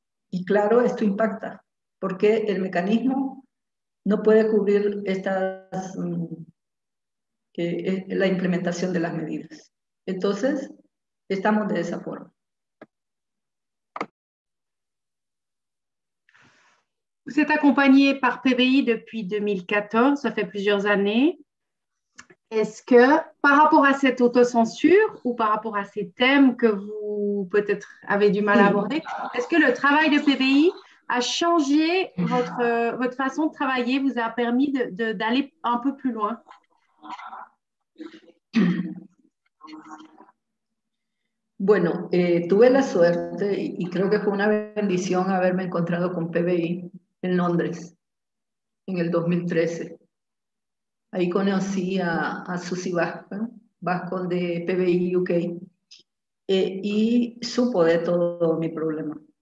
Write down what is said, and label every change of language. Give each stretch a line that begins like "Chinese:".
Spanish: Y claro, esto impacta, porque el mecanismo no puede cubrir la implementación de las medidas. Entonces, estamos de esa forma.
French: Vous êtes accompagné par PBI depuis 2014, ça fait plusieurs années. Est-ce que par rapport à cette autocensure ou par rapport à ces thèmes que vous peut-être avez du mal à aborder, est-ce que le travail de PBI a changé votre façon de travailler, vous a permis d'aller un peu plus loin?
Spanish: Bueno, tuve la suerte y creo que fue una bendición haberme encontrado con PBI en Londres, en el 2013. Ahí conocí a Susie Vasco, Vasco de PBI UK, y supo de todo mi problema.